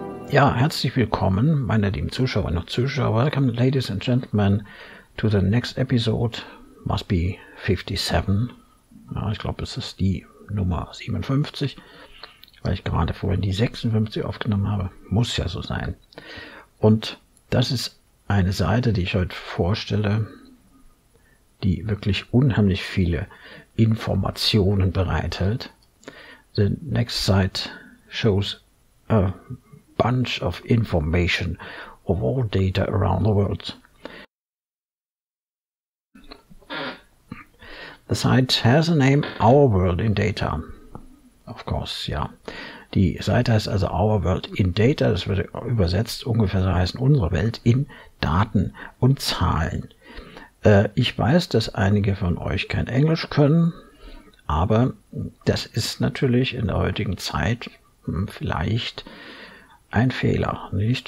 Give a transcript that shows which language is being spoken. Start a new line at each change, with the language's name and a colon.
German: Ja, herzlich willkommen, meine lieben Zuschauer und Zuschauer.
English: Welcome, ladies and gentlemen, to the next episode. Must be 57.
German: Ja, ich glaube, es ist die Nummer 57, weil ich gerade vorhin die 56 aufgenommen habe. Muss ja so sein. Und das ist eine Seite, die ich heute vorstelle, die wirklich unheimlich viele Informationen bereithält. The next site shows a bunch of information of all data around the world. The site has a name, Our World in Data.
English: Of course,
German: ja. Die Seite heißt also Our World in Data. Das würde übersetzt ungefähr so heißen, unsere Welt in Daten und Zahlen. Ich weiß, dass einige von euch kein Englisch können, aber das ist natürlich in der heutigen Zeit vielleicht ein Fehler, nicht?